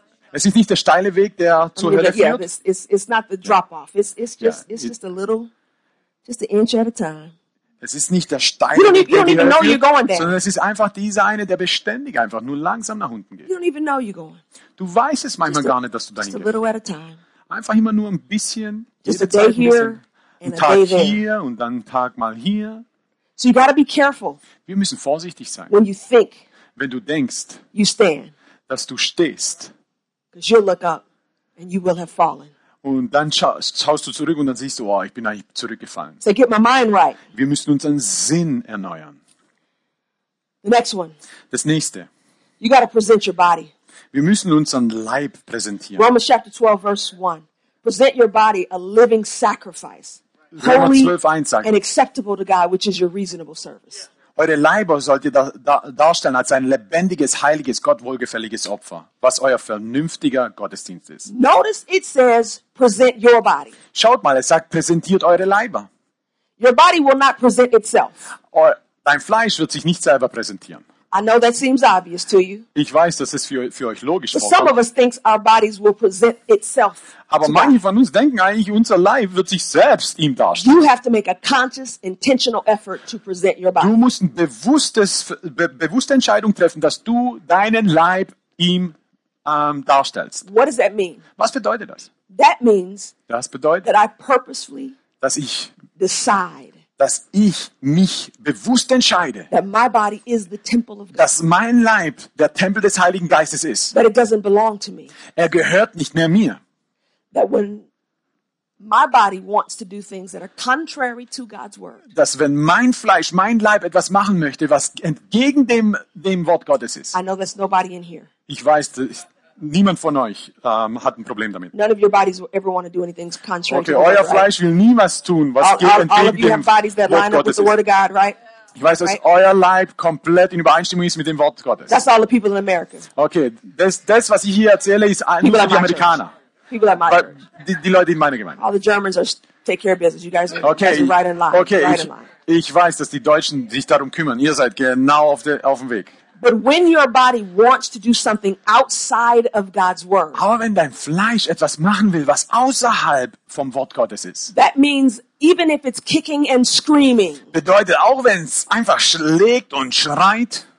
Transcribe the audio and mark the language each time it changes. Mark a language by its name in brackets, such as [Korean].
[German] Es ist nicht der steile Weg, der zur Hölle führt. [English] It's not the drop off. It's just a little, just an inch at a time. [German] Es ist nicht der steile Weg, der zur Hölle führt, sondern es ist einfach dieser eine, der beständig einfach nur langsam nach unten geht. [English] You don't even know you're going. [German] Du weißt es manchmal gar nicht, dass du dahin gehst. [English] Just a little at a time. [German] Einfach immer nur ein bisschen. [English] Just a day here and a day there. [German] Und dann Tag mal hier. [English] So you gotta be careful. [German] Wir müssen vorsichtig sein. [English] When you think. [German] Wenn du denkst. [English] You stand. [German] Dass du stehst. [English] Because you'll look up and you will have fallen. [German] Und dann schaust du zurück und dann siehst du, oh, ich bin eigentlich zurückgefallen. [English] So get my mind right. [German] Wir müssen unseren Sinn erneuern. [English] The next one. [German] Das nächste. [English] You gotta present your body. [German] Wir müssen unseren Leib präsentieren. [English] Romans chapter 12, verse 1. Present your body a living sacrifice. [German] Holy 12, 1 sagt, [English] and acceptable to God, which is your reasonable service. Yeah. [German] Eure Leiber sollt ihr darstellen als ein lebendiges, heiliges, Gott wohlgefälliges Opfer, was euer vernünftiger Gottesdienst ist. [English] Notice it says, present your body. [German] Schaut mal, es sagt, präsentiert eure Leiber. [English] Your body will not present itself. [German] Dein Fleisch wird sich nicht selber präsentieren. [English] I know that seems obvious to you. [German] Ich weiß, das ist für euch logisch. [English] But some of us think our bodies will present itself. [German] Aber manche von uns denken eigentlich, unser Leib wird sich selbst ihm darstellen. [English] You have to make a conscious, intentional effort to present your body. [German] Du musst eine bewusste Entscheidung treffen, dass du deinen Leib ihm darstellst. [English] What does that mean? [German] Was bedeutet das? [English] That means [German] das bedeutet, [English] that I purposefully [German] dass ich [English] decide. [German] Dass ich mich bewusst entscheide, [English] that my body is the temple of God. [German] Dass mein Leib der Tempel des Heiligen Geistes ist. [English] But it doesn't belong to me. [German] Er gehört nicht mehr mir. [English] That when my body wants to do things that are contrary to God's word. [German] Dass wenn mein Fleisch, mein Leib etwas machen möchte, was entgegen dem Wort Gottes ist. [English] I know there's nobody in here. [German] Ich weiß, niemand von euch hat ein Problem damit. [English] None of your bodies will ever want to do anything contrary okay, to the word. [German] Okay, euer Fleisch will niemals tun, was geht entgegen dem Wort Gottes. [English] All of you have bodies that line up with the word of God, right? [German] Ich weiß, dass euer Leib komplett in Übereinstimmung ist mit dem Wort Gottes. [English] That's all the people in America. [German] Okay, das was ich hier erzähle, ist nur für die Amerikaner. [English] People at my church. [German] Die Leute in meiner Gemeinde. [English] All the Germans take care of business. You guys are right in line. [German] Okay, ich weiß, dass die Deutschen sich darum kümmern. Ihr seid genau auf dem Weg. [English] But when your body wants to do something outside of God's word. [German] Aber wenn dein Fleisch etwas machen will, was außerhalb vom Wort Gottes ist. [English] That means even if it's kicking and screaming. [German] Bedeutet auch wenn es einfach schlägt und schreit.